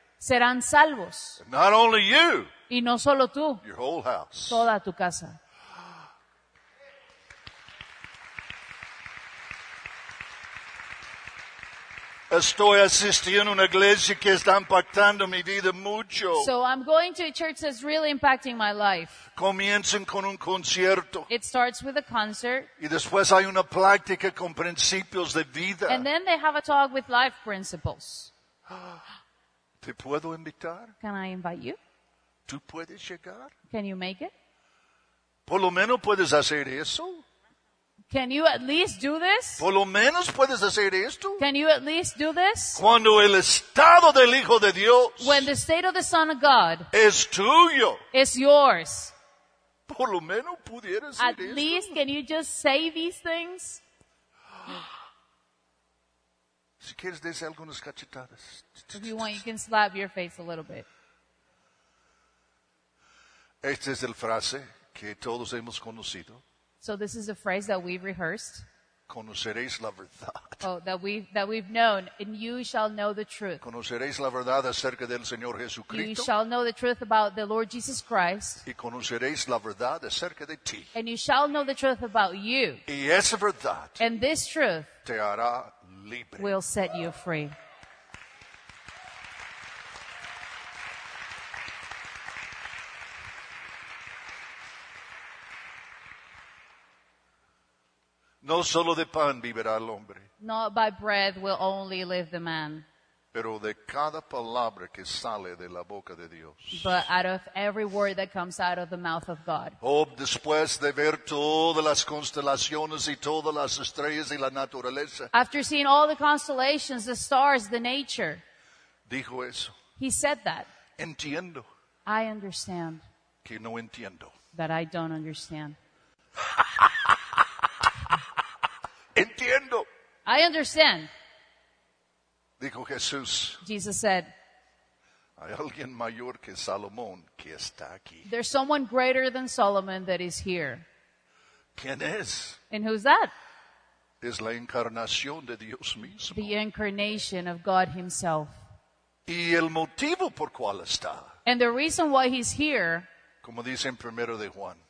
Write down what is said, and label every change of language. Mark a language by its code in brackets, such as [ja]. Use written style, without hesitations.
[es] Serán salvos. [en] And not only you, [es] y no solo tú, [en] your whole house, [es] toda tu casa. Estoy asistiendo a una iglesia que está impactando mi vida mucho. [en] So I'm going to a church that's really impacting my life. [es] Comienzan con un concierto. [en] It starts with a concert. [es] Y después hay una plática con principios de vida. [en] And then they have a talk with life principles. [es] ¿Te puedo invitar? [en] Can I invite you? [es] ¿Tú puedes llegar? [en] Can you make it? [es] ¿Por lo menos puedes hacer eso? [en] Can you at least do this? [es] Por lo menos puedes hacer esto. [en] Can you at least do this? [es] Cuando el estado del Hijo de Dios. [en] When the state of the Son of God. [es] Es tuyo. [en] Is yours. [es] Por lo menos pudieras hacer esto. [en] At least, can you just say these things? [es] Si quieres, des algunas cachetadas. [en] If you want, you can slap your face a little bit. [es] Esta es la frase que todos hemos conocido. [en] So this is a phrase that we've rehearsed. [es] Conoceréis la verdad. [en] Oh, that we've known. And you shall know the truth. [es] Conoceréis la verdad acerca del Señor Jesucristo. [en] You shall know the truth about the Lord Jesus Christ. [es] Y conoceréis la verdad acerca de ti. [en] And you shall know the truth about you. [es] Y esa verdad. [en] And this truth. [es] Te hará libre. [en] Will set you free. [es] No solo de pan vivirá el hombre. [en] Not by bread will only live the man. [es] Pero de cada palabra que sale de la boca de Dios. [en] But out of every word that comes out of the mouth of God. [es] Oh, después de ver todas las constelaciones y todas las estrellas y la naturaleza. [en] After seeing all the constellations, the stars, the nature. [es] Dijo eso. [en] He said that. [es] Entiendo. [en] I understand. [es] Que no entiendo. [en] That I don't understand. [es] Entiendo. [en] I understand. [es] Dijo Jesús. [en] Jesus said. [es] Hay alguien mayor que Salomón que está aquí. [en] There's someone greater than Solomon that is here. [es] ¿Quién es? [en] And who's that? [es] Es la encarnación de Dios mismo. [en] The incarnation of God himself. [es] Y el motivo por cual está. [en] And the reason why he's here. [es] Como dice en primero de Juan.